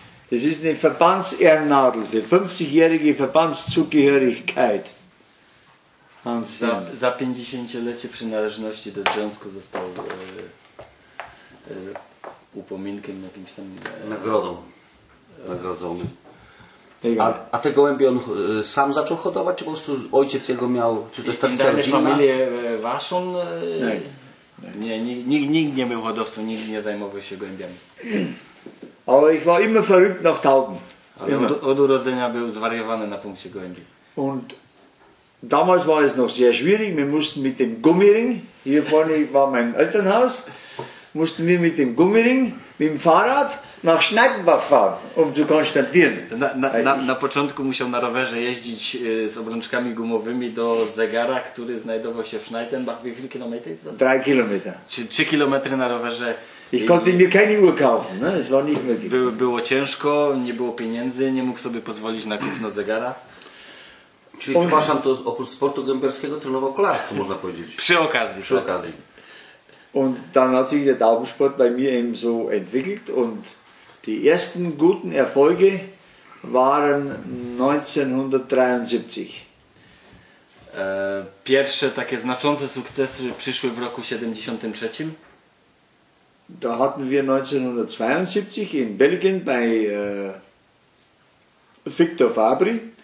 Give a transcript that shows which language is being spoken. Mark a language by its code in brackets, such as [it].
[de] Das ist eine Verbandsehrennadel für 50-jährige Verbandszugehörigkeit. [pl] Hans za 50-lecie przynależności do związku został upominkiem jakimś tam... Nagrodą. Nagrodzony. A te gołębie on sam zaczął hodować, czy po prostu ojciec jego miał, czy to jest tradycja rodzinna? Familię waszą? Nie, nikt nie był hodowcą, nikt nie zajmował się gołębiami. [de] Ale ich war immer verrückt nach Tauben. [pl] Ale od urodzenia był zwariowany na punkcie gołębi. [de] Und damals war es noch sehr schwierig, wir mussten mit dem Gummiring, hier vorne war mein Elternhaus, mussten wir mit dem Gummiring, mit dem Fahrrad nach Schneidenbach fahren, um zu konstatieren. [pl] Na początku musiał na rowerze jeździć z obrączkami gumowymi do zegara, który znajdował się w Schneidenbach. [de] Wie viele Kilometer ist das? 3 kilometer. [pl] 3 kilometry na rowerze. [de] Ich konnte mir keine Uhr kaufen, es war nicht möglich. [pl] Było ciężko, nie było pieniędzy, nie mógł sobie pozwolić na kupno zegara. Czyli przepraszam, to oprócz sportu gęberskiego trenował kolarstwo, można powiedzieć. Przy okazji. Przy okazji. [de] Und dann hat sich der Taubensport bei mir eben so entwickelt und die ersten guten Erfolge waren 1973. [pl] Pierwsze takie znaczące sukcesy przyszły w roku 73. [de] Da hatten wir 1972 in Belgien bei Victor Fabry.